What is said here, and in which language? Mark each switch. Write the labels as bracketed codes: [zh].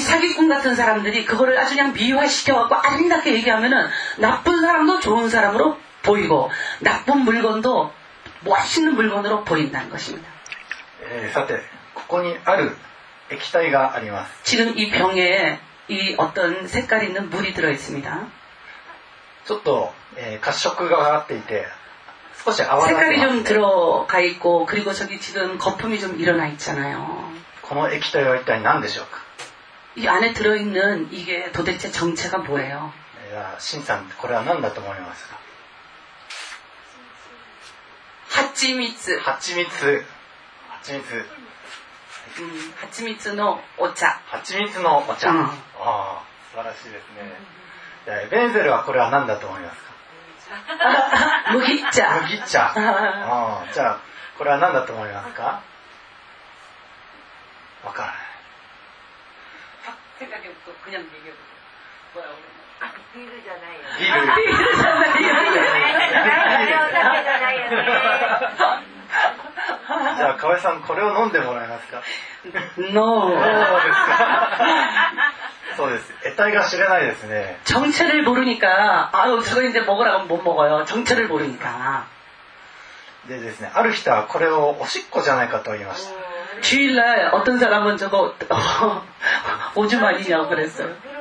[ko] 사기꾼 같은 사람들이 그거를 아주 그냥 미화시켜갖고 아름답게 얘기하면은 나쁜 사람도 좋은 사람으로 보이고 나쁜 물건도 멋있는 물건으로 보인다는 것입니다. [ja] 사て, ここにある液体があります. [ko] 지금 이 병에 이 어떤 색깔 있는 물이 들어있습니다. [ja] ちょっと褐色が上がっていて [ko] 색깔이 좀 들어가 있고 그리고 저기 지금 거품이 좀 일어나 있잖아요. [ja] 이液体は一体何でしょうか? [ko] 이 안에 들어 있는 이게 도대체 정체가 뭐예요? [ja] 야, 신산, これは何だと思いますか? 하치미츠. 하치미츠. 하치미츠. 하치미츠의 오차. 하치미츠의 오차. 아, 素晴らしいですね. 야, 벤젤은 これは何だと思いますか? 무기차. 무기차. [ko] 자, 이건 뭐라고 생각하십니까? 모르겠어요. 생각해보고 그냥 얘기해보세요. 뭐라고 생각하십니까? 자, 가외산, 이걸 [ja] 飲んでもらえますか? [en] No. [ko] 뭐라고 생각하십니까? [ja] そうです。得体が知れないですね。 [ko] 정체를 모르니까 아유 저거인데 먹으라고 못 먹어요. 정체를 모르니까. 네, 네. [ja] ある人はこれをおしっこじゃないかと言いました。 [ko] 주일날 어떤 사람은 저거 오줌 아니냐고 그랬어요.